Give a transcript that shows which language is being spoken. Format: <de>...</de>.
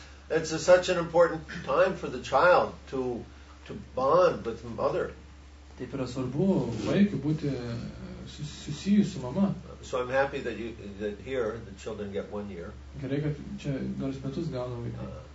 <en>It's a, such an important time for the child to bond with the mother.</en> <lt>Taip yra svarbu vaikui būti susijus su mama.</lt> <en>So I'm happy that you that here the children get 1 year.</en> <lt>Gerai, kad čia nors metus gauna vaikai.</lt>